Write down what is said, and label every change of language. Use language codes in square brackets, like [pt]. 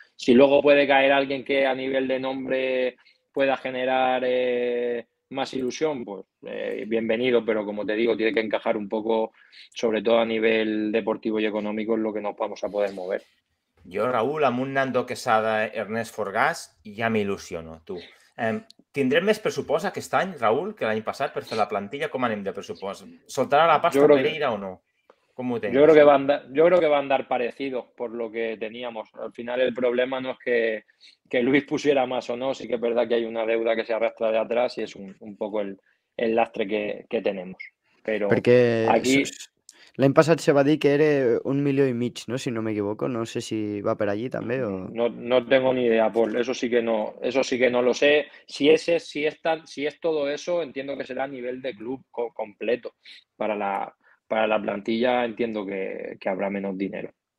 [es] Si luego puede caer alguien que a nivel de nombre pueda generar más ilusión, pues bienvenido, pero como te digo, tiene que encajar un poco, sobre todo a nivel deportivo y económico, en lo que nos vamos a poder mover. [ca] Yo, Raúl, amb un Nando Quesada, Ernest Forgàs, ja m'il·lusiono, tu. ¿Tindrem més pressupost aquest any, Raúl, que l'any passat per fer la plantilla? Com anem de pressupost? ¿Soltarà la pasta Pereira o no? ¿Cómo ho tens? [es] Yo creo que va a andar parecido por lo que teníamos. Al final el problema no es que Luis pusiera más o no, sí que es verdad que hay una deuda que se arrastra de atrás y es un poco el lastre que tenemos. Pero [ca] perquè aquí... L'any passat se va dir que era 1,5 milions, ¿no? [es] Si no me equivoco, [ca] no sé si va per allí també o... [es] No tengo ni idea, Paul, eso sí que no lo sé. Si es todo eso, entiendo que será a nivel de club completo. Para la plantilla entiendo que habrá menos dinero.